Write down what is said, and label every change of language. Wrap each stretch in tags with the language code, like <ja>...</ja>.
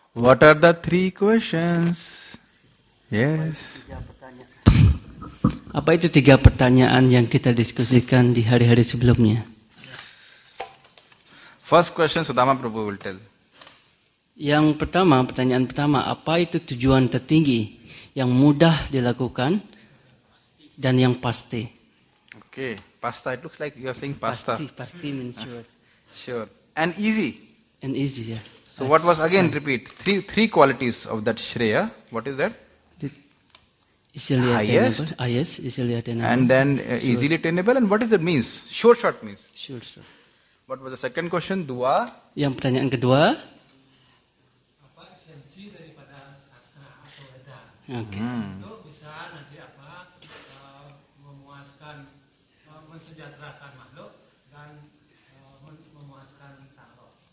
<en>What are the three questions? Yes.</en> <id>Apa itu tiga pertanyaan yang kita diskusikan di hari-hari sebelumnya?</id> <en>First question Sudama Prabhu will tell.</en> <id>Yang pertama, pertanyaan pertama, apa itu tujuan tertinggi yang mudah dilakukan dan yang pasti?</id> <en>Okay, pasta. It looks like you are saying pasta. Pasti means sure. Sure. And easy. And easy, yeah. So what was, again, repeat, three qualities of that Shreya. What is that? Easily attainable. And then easily attainable. And what is that means? Sure shot means. Sure shot. What was the second question?</en> <id>Dua. Yang pertanyaan kedua. Apa esensi daripada sastra atau weda?</id> <en>Okay.</en> <id>Untuk bisa nanti apa memuaskan, mensejahterakan makhluk dan memuaskan sahabat.</id>